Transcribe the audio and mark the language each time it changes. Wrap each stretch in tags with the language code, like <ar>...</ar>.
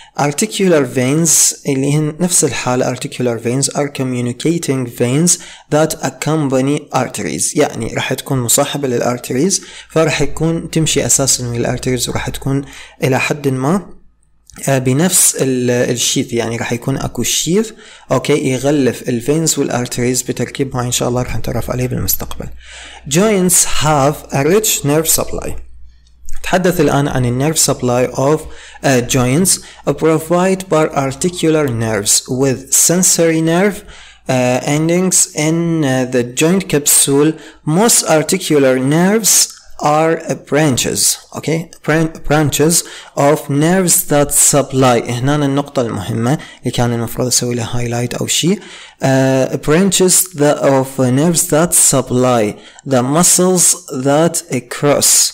<en>Articular veins</en> <ar>اللي هن نفس الحالة</ar> <en>articular veins are communicating veins that accompany arteries.</en> <ar>يعني راح تكون مصاحبة للarteries فراح يكون تمشي أساساً من الarteries وراح تكون إلى حد ما بنفس الشيث يعني راح يكون أكو شيث أوكي يغلف الفينز والأرتريز بتركيب معين إن شاء الله راح نتعرف عليه بالمستقبل.</ar> <en>Joints have a rich nerve supply.</en> <ar>تحدث الآن عن النيرف سبلاي</ar> <en>of joints provide by articular nerves with sensory nerve endings in the joint capsule. Most articular nerves are branches. Okay, branches of nerves that supply.</en> <ar>هنا النقطة المهمة اللي كان المفروض أسوي لها highlight أو شيء.</ar> <en>Branches of nerves that supply the muscles that cross.</en>